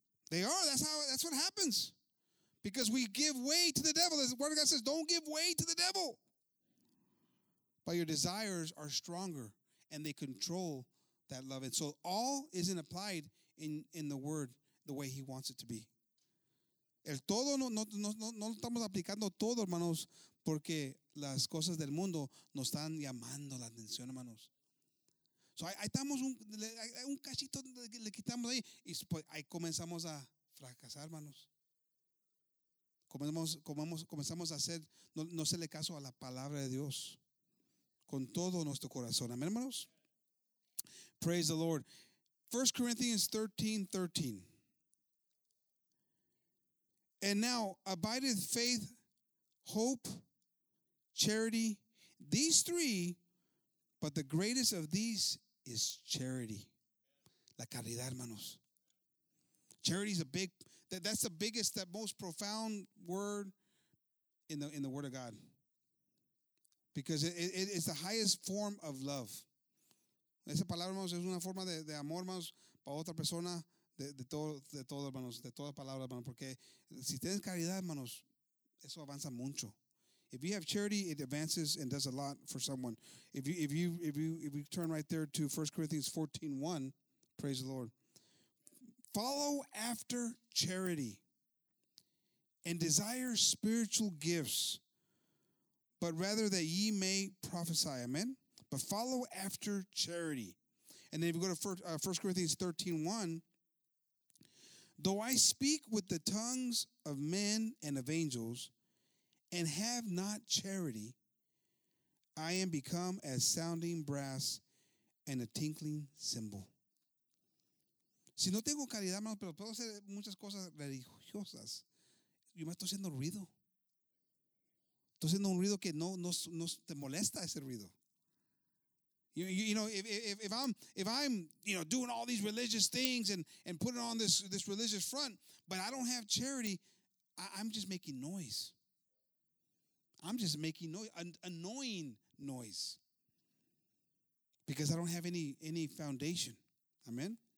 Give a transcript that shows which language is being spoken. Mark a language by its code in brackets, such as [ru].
[en] They are. That's what happens. Because we give way to the devil. The word of God says, don't give way to the devil. But your desires are stronger and they control that love. And so all isn't applied in the word the way he wants it to be. [es] El todo, no estamos aplicando todo, hermanos, porque las cosas del mundo nos están llamando la atención, hermanos. So ahí estamos, un cachito le quitamos ahí y pues, ahí comenzamos a fracasar, hermanos. Comenzamos a hacer, no se le caso a la palabra de Dios con todo nuestro corazón. Amén, hermanos. [en] Praise the Lord. 1 Corinthians 13:13. And now abideth faith, hope, charity. These three, but the greatest of these is charity. [es] La caridad, hermanos. [en] Charity is a big, that's the biggest, that most profound word in the Word of God. Because it's the highest form of love. [es] Esa palabra, hermanos, es una forma de amor, hermanos, para otra persona, de todo, hermanos, de toda palabra, hermanos. Porque si tienes caridad, hermanos, eso avanza mucho. [en] If you have charity, it advances and does a lot for someone. If you turn right there to 1 Corinthians 14:1, praise the Lord. Follow after charity and desire spiritual gifts, but rather that ye may prophesy. Amen? But follow after charity. And then if you go to 1 Corinthians 13:1, though I speak with the tongues of men and of angels and have not charity, I am become as sounding brass and a tinkling cymbal. [es] Si no tengo caridad, hermano, pero puedo hacer muchas cosas religiosas. Yo me estoy haciendo ruido. Estoy haciendo un ruido que no te molesta ese ruido. [en] If I'm doing all these religious things and putting on this religious front, but I don't have charity, I'm just making noise. I'm just making noise, an annoying noise. Because I don't have any foundation. Amen.